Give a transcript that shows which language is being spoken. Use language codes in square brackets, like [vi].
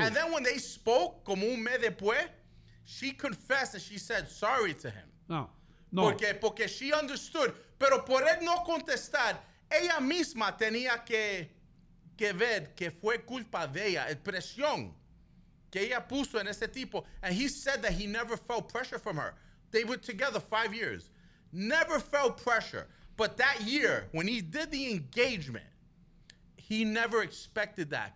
[en] And then when they spoke, [es] como un mes después, [en] she confessed and she said sorry to him. No, no. Porque she understood. [es] Pero por él no contestar, ella misma tenía que ver que fue culpa de ella, el presión que ella puso en ese tipo. [en] And he said that he never felt pressure from her. They were together 5 years. Never felt pressure. But that year, when he did the engagement, he never expected that.